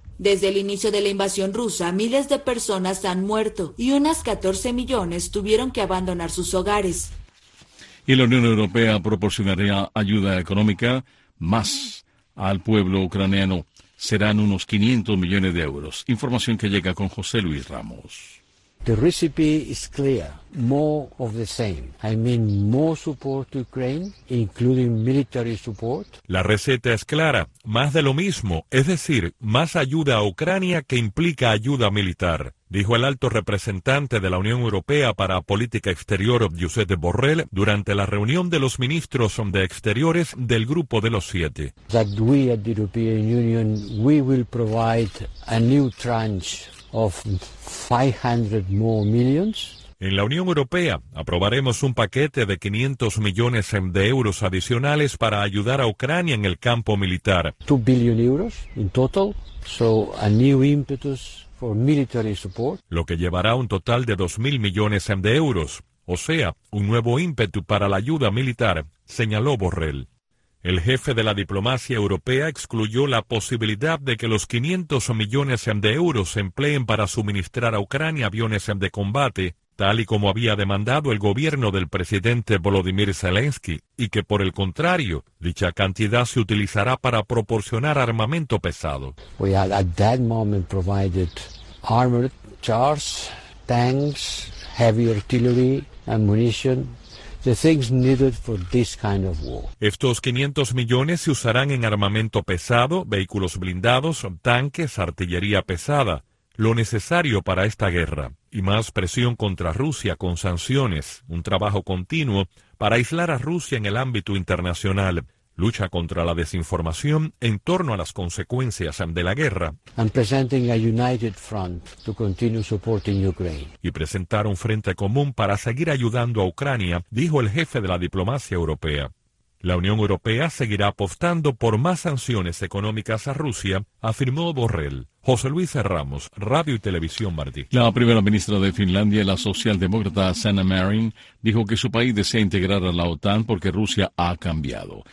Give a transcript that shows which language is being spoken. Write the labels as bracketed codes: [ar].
[es] Desde el inicio de la invasión rusa, miles de personas han muerto y unas 14 millones tuvieron que abandonar sus hogares. Y la Unión Europea proporcionaría ayuda económica más al pueblo ucraniano. Serán unos 500 millones de euros. Información que llega con José Luis Ramos. [en] The recipe is clear, more of the same. I mean more support to Ukraine, including military support. [es] La receta es clara, más de lo mismo, es decir, más ayuda a Ucrania que implica ayuda militar. dijo el alto representante de la Unión Europea para Política Exterior, Josep Borrell, durante la reunión de los ministros de Exteriores del Grupo de los Siete. [en] That we at the European Union, we will provide a new tranche of 500 more millions. [es] En la Unión Europea aprobaremos un paquete de 500 millones de euros adicionales para ayudar a Ucrania en el campo militar. [en] 2 billion euros in total, so a new impetus for military support. [es] Lo que llevará un total de 2.000 millones de euros, o sea, un nuevo ímpetu para la ayuda militar, señaló Borrell. El jefe de la diplomacia europea excluyó la posibilidad de que los 500 millones de euros se empleen para suministrar a Ucrania aviones de combate, tal y como había demandado el gobierno del presidente Volodymyr Zelensky, y que, por el contrario, dicha cantidad se utilizará para proporcionar armamento pesado. [en] We had at that moment provided armored cars, tanks, heavy artillery, ammunition, the things needed for this kind of war. [es] Estos 500 millones se usarán en armamento pesado, vehículos blindados, tanques, artillería pesada, lo necesario para esta guerra, y más presión contra Rusia con sanciones, un trabajo continuo para aislar a Rusia en el ámbito internacional, lucha contra la desinformación en torno a las consecuencias de la guerra, [en] and presenting a united front to continue supporting Ukraine. [es] Y presentar un frente común para seguir ayudando a Ucrania, dijo el jefe de la diplomacia europea. La Unión Europea seguirá apostando por más sanciones económicas a Rusia, afirmó Borrell. José Luis Ramos, Radio y Televisión Martí. La primera ministra de Finlandia, la socialdemócrata Sanna Marin, dijo que su país desea integrar a la OTAN porque Rusia ha cambiado.